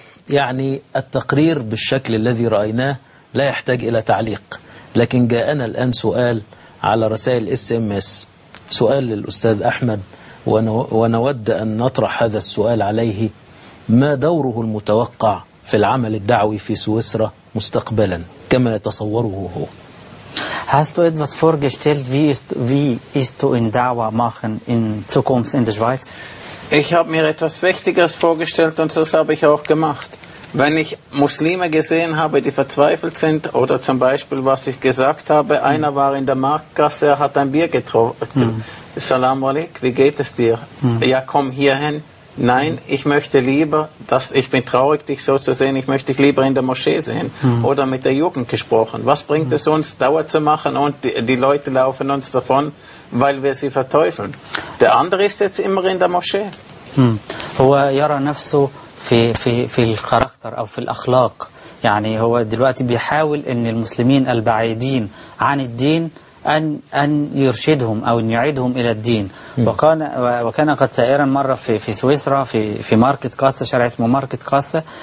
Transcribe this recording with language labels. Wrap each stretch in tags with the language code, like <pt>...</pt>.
<ar>يعني التقرير بالشكل الذي رأيناه لا يحتاج إلى تعليق، لكن جاءنا الآن سؤال على رسائل SMS، سؤال للأستاذ أحمد، ونود أن نطرح هذا السؤال عليه: ما دوره المتوقع في العمل الدعوي في سويسرا مستقبلا كما يتصوره هو؟</ar> <de>Hast du etwas vorgestellt, wie ist du in Dauer machen in Zukunft in der Schweiz? Ich habe mir etwas Wichtiges vorgestellt und das habe ich auch gemacht. Wenn ich Muslime gesehen habe, die verzweifelt sind, oder zum Beispiel, was ich gesagt habe, einer war in der Marktgasse, er hat ein Bier getrunken. Salam alaik, wie geht es dir? Ja, komm hierhin. Nein, ich möchte lieber, dass ich bin traurig, dich so zu sehen, ich möchte dich lieber in der Moschee sehen oder mit der Jugend gesprochen. Was bringt es uns, Dauer zu machen und die Leute laufen uns davon, weil wir sie verteufeln? Der andere ist jetzt immer in der Moschee.</de> <ar>هو يرى نفسه في في في الكاركتر او في الاخلاق يعني هو دلوقتي بيحاول ان المسلمين البعيدين عن الدين ان يرشدهم او ان يعيدهم الى الدين وكان قد سائرا مره في سويسرا في ماركت كاسا شارع اسمه ماركت كاسا</ar>